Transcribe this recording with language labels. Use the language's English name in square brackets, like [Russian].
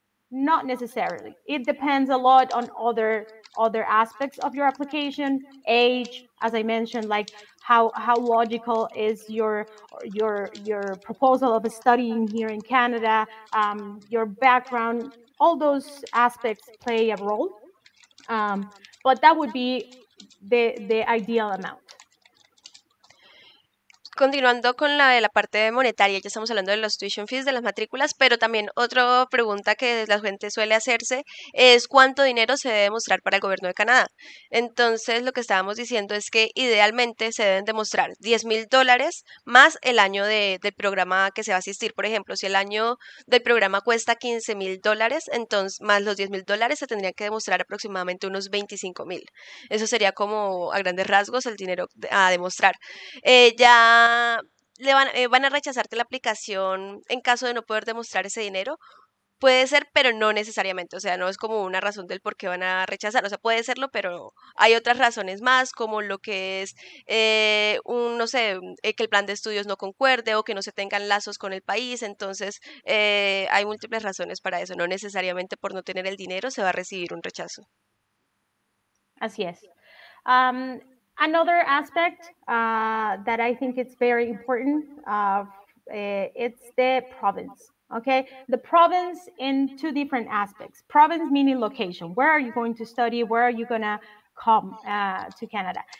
[English] Not necessarily. It depends a lot on other aspects of your application, age, as I mentioned, like how logical is your proposal of studying here in Canada, your background. All those aspects play a role, but that would be the ideal amount. [Spanish] Continuando con la parte monetaria, ya estamos hablando de los tuition fees, de las matrículas, pero también otra pregunta que la gente suele hacerse es cuánto dinero se debe mostrar para el gobierno de Canadá. Entonces, lo que estábamos diciendo es que idealmente se deben demostrar $10,000 más el año del programa que se va a asistir. Por ejemplo, si el año del programa cuesta $15,000, entonces más los $10,000 se tendrían que demostrar aproximadamente unos $25,000. Eso sería como a grandes rasgos el dinero a demostrar. Ya le van a rechazarte la aplicación en caso de no poder demostrar ese dinero, Puede ser, pero no necesariamente. O sea, no es como una razón del por qué van a rechazar. O sea, puede serlo, pero hay otras razones más, como lo que es, no sé, que el plan de estudios no concuerde o que no se tengan lazos con el país. Entonces, hay múltiples razones para eso. No necesariamente por no tener el dinero se va a recibir un rechazo. Así es. [English] Another aspect that I think it's very important, it's the province. Okay, the province in two different aspects. Province meaning location. Where are you going to study? Where are you gonna come to Canada?